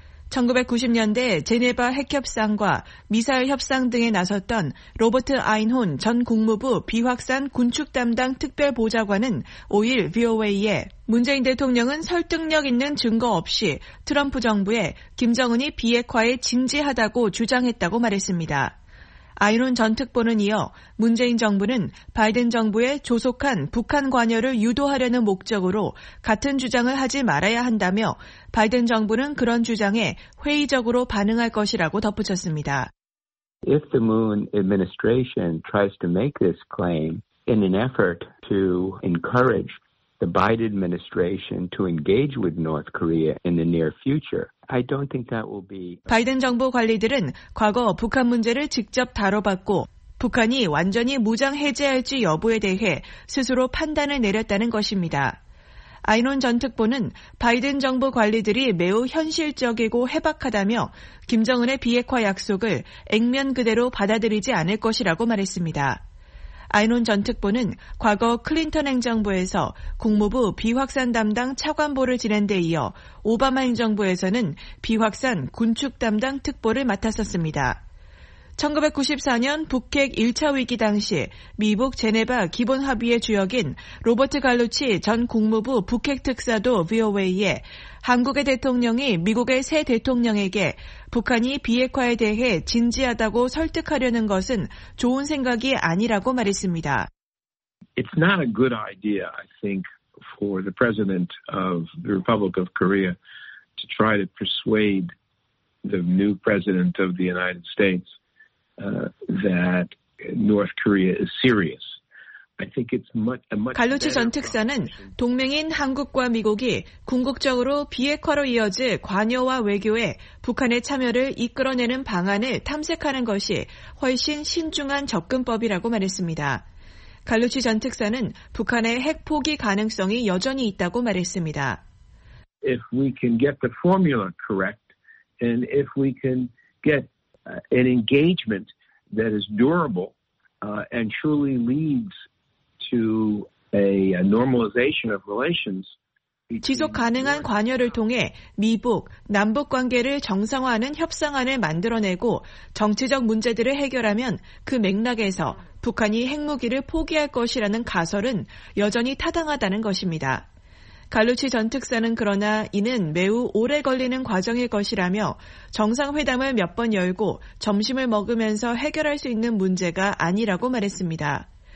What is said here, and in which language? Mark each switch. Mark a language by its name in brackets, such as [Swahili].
[Korean] 1990년대 제네바 핵협상과 미사일 협상 등에 나섰던 로버트 아인혼 전 국무부 비확산 군축 담당 특별보좌관은 5일 VOA에 문재인 대통령은 설득력 있는 증거 없이 트럼프 정부에 김정은이 비핵화에 진지하다고 주장했다고 말했습니다. 아이론 전 특보는 이어 문재인 정부는 바이든 정부의 조속한 북한 관여를 유도하려는 목적으로 같은 주장을 하지 말아야 한다며 바이든 정부는 그런 주장에 회의적으로 반응할 것이라고 덧붙였습니다. [English] If the Moon administration tries to make this claim in an effort to encourage the Biden administration to engage with North Korea in the near future, I don't think that will be. [Korean] 바이든 정부 관리들은 과거 북한 문제를 직접 다뤄봤고 북한이 완전히 무장 해제할지 여부에 대해 스스로 판단을 내렸다는 것입니다. 아이논 전 특보는 바이든 정부 관리들이 매우 현실적이고 해박하다며 김정은의 비핵화 약속을 액면 그대로 받아들이지 않을 것이라고 말했습니다. 아이논 전 특보는 과거 클린턴 행정부에서 국무부 비확산 담당 차관보를 지낸 데 이어 오바마 행정부에서는 비확산 군축 담당 특보를 맡았었습니다. 1994년 북핵 1차 위기 당시 미북 제네바 기본 합의의 주역인 로버트 갈루치 전 국무부 북핵 특사도 VOA에 한국의 대통령이 미국의 새 대통령에게 북한이 비핵화에 대해 진지하다고 설득하려는 것은 좋은 생각이 아니라고 말했습니다. [English] It's not a good idea, I think, for the president of the Republic of Korea to try to persuade the new president of the United States that North Korea is serious. I think it's much a much [Korean] 갈루치 전 특사는 동맹인 한국과 미국이 궁극적으로 비핵화로 이어질 관여와 외교에 북한의 참여를 이끌어내는 방안을 탐색하는 것이 훨씬 신중한 접근법이라고 말했습니다. 갈루치 전 특사는 북한의 핵 포기 가능성이 여전히 있다고 말했습니다. [English] If we can get the formula correct and if we can get an engagement that is durable and truly leads to a normalization of relations. [Korean] 지속 가능한 관여를 통해 미북, 남북 관계를 정상화하는 협상안을 만들어내고 정치적 문제들을 해결하면 그 맥락에서 북한이 핵무기를 포기할 것이라는 가설은 여전히 타당하다는 것입니다. 갈루치 전 특사는 그러나 이는 매우 오래 걸리는 과정일 것이라며 정상회담을 몇 번 열고 점심을 먹으면서 해결할 수 있는 문제가 아니라고 말했습니다.